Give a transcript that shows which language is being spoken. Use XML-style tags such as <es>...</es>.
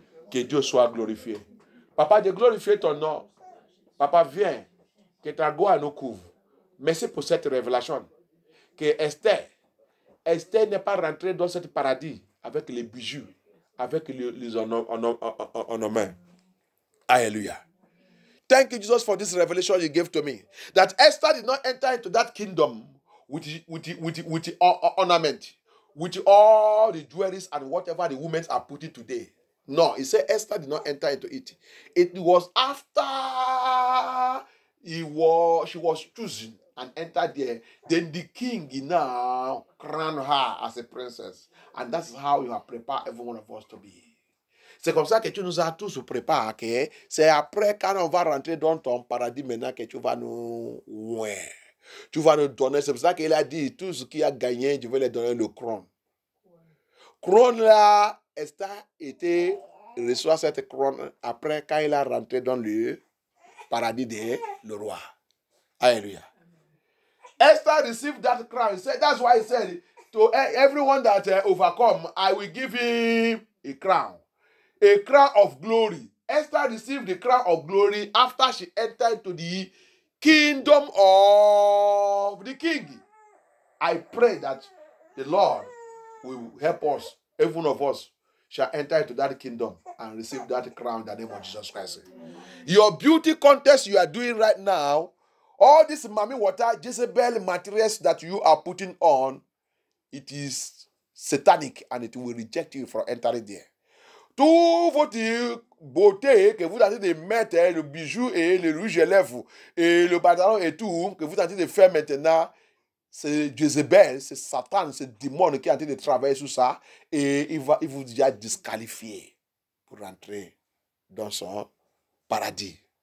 <fr>Que Dieu soit glorifié. Papa, de glorifier ton nom. Papa, viens, que ta gloire nous couvre. Merci pour cette révélation. Que Esther n'est pas rentrée dans ce paradis avec les bijoux, avec les ornements. Alléluia.</fr> <en>Thank you, Jesus, for this revelation you gave to me. That Esther did not enter into that kingdom with ornament, with all the jewelries and whatever the women are putting today. No, he said Esther did not enter into it. It was after she was chosen and entered there. Then the king now crowned her as a princess. And that's how you have prepared every one of us to be.</en> <fr>C'est comme ça que tu nous as tous préparé. Okay? C'est après quand on va rentrer dans ton paradis maintenant que tu vas nous... Ouais. Tu vas nous donner. C'est pour ça qu'il a dit, tout ce qu'il a gagné, je vais lui donner le crown. Crown là... Esther reçoit cette couronne après quand il a rentré dans le paradis de le roi.</fr> <en>Alléluia. Esther received that crown. That's why he said to everyone that overcome, I will give him a crown. A crown of glory. Esther received the crown of glory after she entered to the kingdom of the king. I pray that the Lord will help us, every one of us, shall enter into that kingdom and receive that crown in the name of Jesus Christ. Your beauty contest you are doing right now, all this mommy water, Jezebel materials that you are putting on, it is satanic and it will reject you from entering there.</en> <fr>Tout votre beauté que vous êtes en train de mettre, le bijou et le rouge à lèvres et le pantalon et tout, que vous êtes en train de faire maintenant, c'est Jezebel, c'est Satan, c'est démon qui est en train de travailler sur ça. Et il vous a disqualifié pour rentrer dans son paradis.</fr>